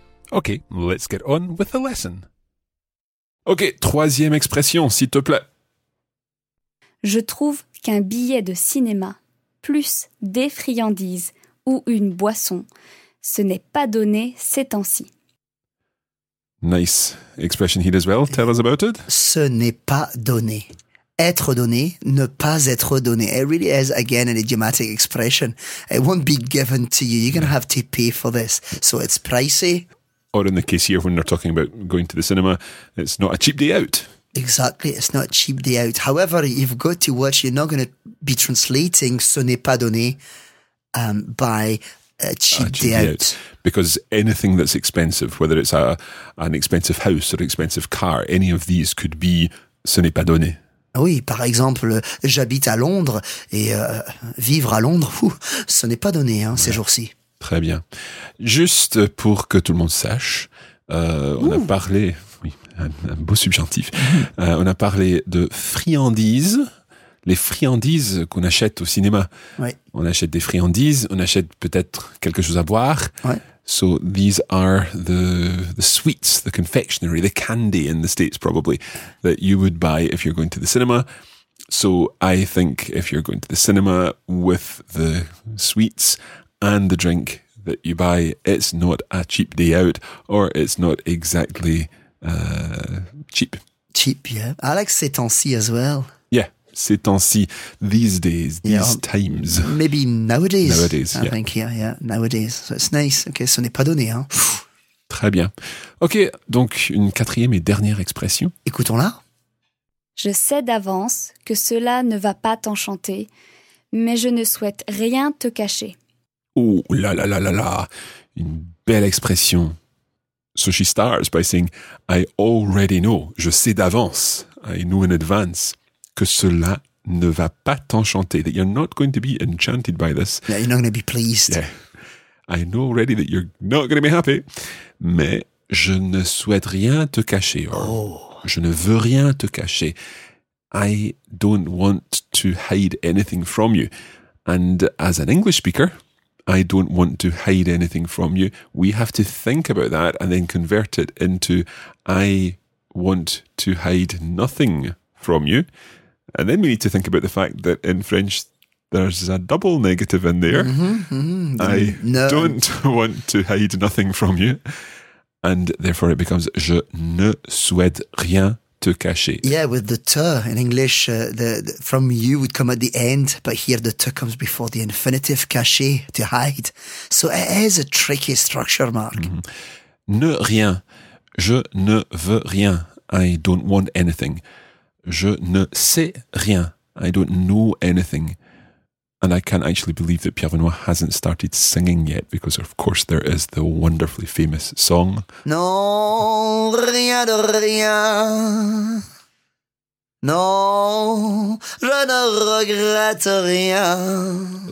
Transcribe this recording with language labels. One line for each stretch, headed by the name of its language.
English: Okay, let's get on with the lesson.
French: Okay, troisième expression, s'il te plaît. Je trouve qu'un billet de cinéma, plus des friandises ou une boisson, ce n'est pas donné ces temps-ci.
English: Nice expression here as well. Tell us about it.
French: Ce n'est pas donné. Être donné, ne pas être donné.
English: It really is, again, an idiomatic expression. It won't be given to you. You're going to have to pay for this. So it's pricey. Or in the case here, when they're talking about going to the cinema, it's not a cheap day out. Exactly, it's not a cheap day out. However, you've got to watch, you're not going to be translating
French: ce n'est pas donné
English: by a cheap day out. Because anything that's expensive, whether it's an expensive house or an expensive car, any of these could be
French: ce n'est pas donné. Oui, par exemple, j'habite à Londres et vivre à Londres, ce n'est pas donné hein, ouais. Ces jours-ci. Très bien. Juste pour que tout le monde sache, on a parlé, oui, un beau subjonctif, on a parlé de friandises, les friandises qu'on achète au cinéma. Oui. On achète des friandises, on achète peut-être quelque chose à boire. Oui.
English: So these are the sweets, the confectionery, the candy in the States probably, that you would buy if you're going to the cinema. So I think if you're going to the cinema with the sweets and the drink that you buy, it's not a cheap day out, or it's not exactly cheap. Cheap, yeah. I like
French: ces temps-ci
English: as well. Yeah,
French: ces temps-ci,
English: these days, these times. Maybe nowadays. Nowadays, I think, yeah, nowadays. So it's nice. Okay,
French: ce n'est pas donné. Hein. Très bien. Okay, donc une quatrième et dernière expression. Écoutons-la. Je sais d'avance que cela ne va pas t'enchanter, mais je ne souhaite rien te cacher. Oh là là là là là, une belle expression.
English: So she starts by saying, I already know,
French: je sais d'avance,
English: I know in advance,
French: que cela ne va pas t'enchanter,
English: that you're not going to be enchanted by this. Yeah, you're not going to be pleased. Yeah. I know already that you're not going to be happy,
French: mais je ne souhaite rien te cacher. Je ne veux rien te cacher.
English: I don't want to hide anything from you. And as an English speaker, I don't want to hide anything from you. We have to think about that and then convert it into I want to hide nothing from you. And then we need to think about the fact that in French there's a double negative in there. I don't want to hide nothing from you. And therefore it becomes
French: je ne souhaite rien te cacher.
English: Yeah, with the te in English, the from you would come at the end, but here the te comes before the infinitive cacher, to hide. So it is a tricky structure, Mark. Mm-hmm.
French: Ne rien. Je ne veux rien.
English: I don't want anything.
French: Je ne sais rien.
English: I don't know anything. And I can't actually believe that Pierre Benoît hasn't started singing yet, because of course there is the wonderfully famous song.
French: Non, rien de rien. Non, je ne regrette rien.